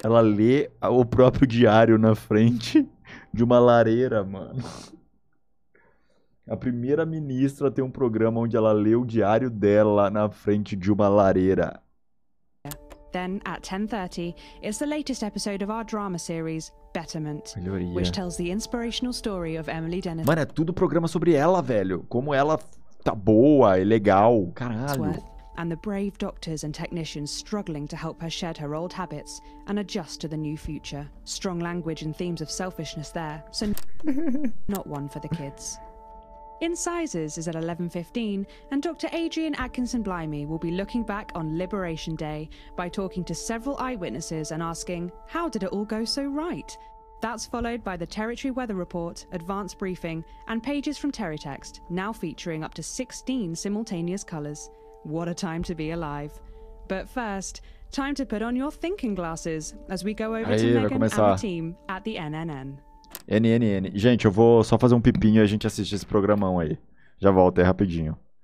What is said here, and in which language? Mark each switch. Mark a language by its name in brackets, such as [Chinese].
[Portuguese] Ela lê o próprio diário na frente de uma lareira, mano. A primeira ministra tem um programa onde ela lê o diário dela na frente de uma lareira. [English] Then at 10:30, it's the latest episode of our drama series Betterment, [Portuguese] melhoria, [English] which tells the inspirational story of Emily Dennis. [Portuguese] Mano, é tudo programa sobre ela, velho. Como ela tá boa e legal. Caralho. [English] And the brave doctors and technicians struggling to help her shed her old habits and adjust to the new future. Strong language and themes of selfishness there. So not one for the kids. Incisors is at 11:15, and Dr. Adrian Atkinson Blimey will be looking back on Liberation Day by talking to several eyewitnesses and asking, how did it all go so right? That's followed by the Territory Weather Report, Advance Briefing, and pages from Terrytext, now featuring up to 16 simultaneous colours. What a time to be alive. But first, time to put on your thinking glasses as we go over [Portuguese] aí, [English] to Megan and her team at the NNN. NNN. [Portuguese] Gente, eu vou só fazer um pipinho e a gente assiste esse programão aí. Já volto, é rapidinho.